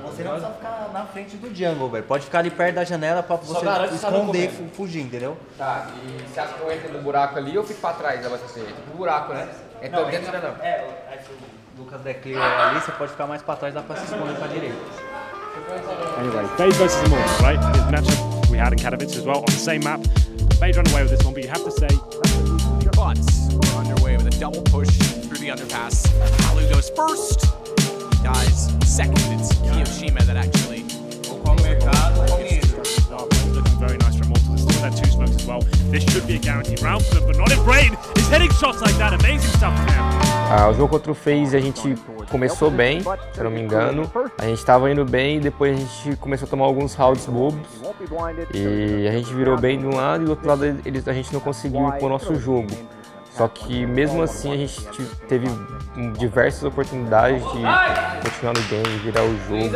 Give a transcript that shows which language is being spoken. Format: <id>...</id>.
<pt>Você não precisa ficar na frente do jungle, velho. Pode ficar ali perto da janela pra você esconder, fugir, entendeu? Tá, e você acha que eu entro no buraco ali ou fico pra trás? Né? Você entra no buraco, né? Então, não, entra, não. É, o Lucas declara ali, você pode ficar mais pra trás, dá pra se esconder pra direita.</pt> <en>Anyway, FaZe versus Immortals, right? This matchup we had in Katowice as well on the same map. FaZe ran away with this one, but you have to say. But we're underway with a double push through the underpass. Kalu goes first, he dies second. It's Kiyoshima that actually. Looking very nice for Immortals. Still had two smokes as well. This should be a guaranteed round for them, but not in Brain. He's hitting shots like that. Amazing stuff for him.</en> <pt>O jogo contra o FaZe, a gente começou bem, se eu não me engano. A gente tava indo bem e depois a gente começou a tomar alguns rounds bobos. E a gente virou bem de um lado e do outro lado a gente não conseguiu ir com o nosso jogo. Só que mesmo assim a gente teve diversas oportunidades de continuar no game, virar o jogo.</pt>